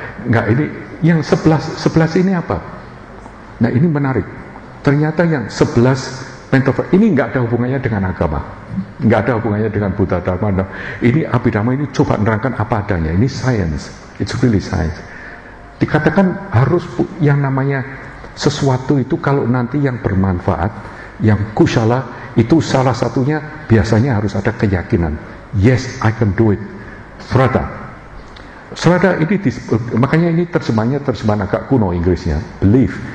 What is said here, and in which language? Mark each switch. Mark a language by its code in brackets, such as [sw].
[id] Enggak, ini yang sebelas ini apa? Nah ini menarik. Ternyata yang sebelas mentor ini enggak ada hubungannya dengan agama, enggak ada hubungannya dengan Buddha Dharma. Ini Abhidharma ini coba nerangkan apa adanya. Ini [en] science, it's really science. [id] Dikatakan harus yang namanya sesuatu itu kalau nanti yang bermanfaat, yang kushala itu salah satunya biasanya harus ada keyakinan. [en] Yes, I can do it. [id] Shraddha. Shraddha ini makanya ini terjemahan agak kuno Inggrisnya, belief.